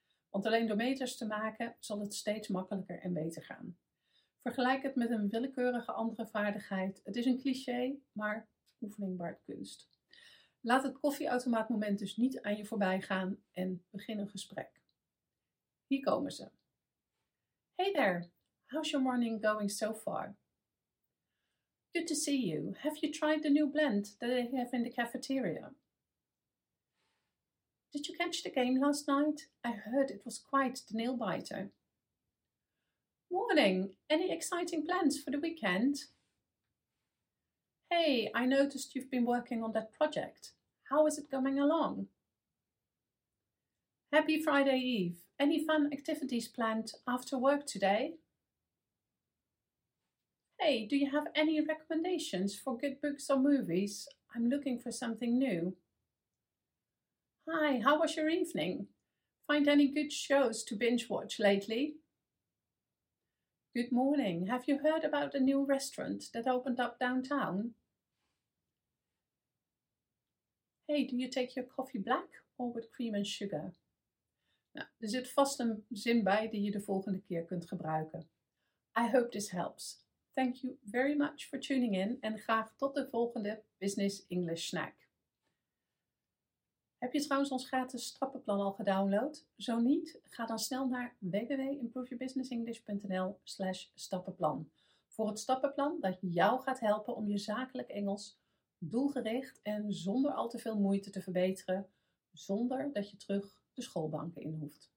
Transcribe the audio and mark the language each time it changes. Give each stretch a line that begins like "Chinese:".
Dutch: Want alleen door meters te maken zal het steeds makkelijker en beter gaan. Vergelijk het met een willekeurige andere vaardigheid. Het is een cliché, maar oefening baart kunst. Laat het koffieautomaatmoment dus niet aan je voorbij gaan en begin een gesprek. Hier komen ze.
English: Hey there, how's your morning going so far? Good to see you. Have you tried the new blend that they have in the cafeteria? Did you catch the game last night? I heard it was quite the nail-biter. Morning, any exciting plans for the weekend? Hey, I noticed you've been working on that project. How is it going along? Happy Friday Eve. Any fun activities planned after work today? Hey, do you have any recommendations for good books or movies? I'm looking for something new. Hi, how was your evening? Find any good shows to binge watch lately? Good morning. Have you heard about a new restaurant that opened up downtown? Hey, do you take your coffee black or with cream and sugar?
Dutch: Nou, er zit vast een zin bij die je de volgende keer kunt gebruiken.
English: I hope this helps. Thank you very much for tuning in
Dutch: en graag tot de volgende
English: Business English Snack.
Dutch: Heb je trouwens ons gratis stappenplan al gedownload? Zo niet, ga dan snel naar www.improveyourbusinessenglish.nl/stappenplan voor het stappenplan dat jou gaat helpen om je zakelijk Engels doelgericht en zonder al te veel moeite te verbeteren, zonder dat je terug de schoolbanken in hoeft.